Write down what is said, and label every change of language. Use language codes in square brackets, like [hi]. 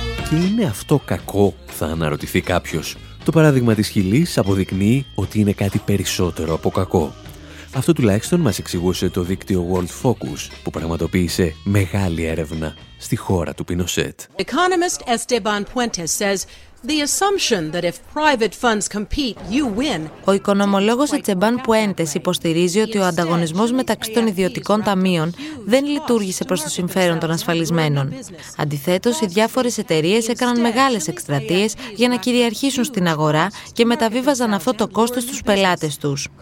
[el] Και είναι αυτό κακό, θα αναρωτηθεί κάποιος. Το παράδειγμα της Χιλής αποδεικνύει ότι είναι κάτι περισσότερο από κακό. Αυτό τουλάχιστον μας εξηγούσε το δίκτυο World Focus, που πραγματοποίησε μεγάλη έρευνα στη χώρα του Πινοσέτ. [en] Economist Esteban Puentes says the assumption that if private funds compete, you win. [el] Ο οικονομολόγος Ετσεμπάν Πουέντες υποστηρίζει ότι ο ανταγωνισμός μεταξύ των ιδιωτικών ταμείων δεν λειτουργήσε προς το συμφέρον των ασφαλισμένων. Αντιθέτως, οι διάφορες εταιρείες έκαναν μεγάλες εκστρατείες για να κυριαρχήσουν στην αγορά και μεταβίβαζαν αυτό το κόστος στους πελάτες τους.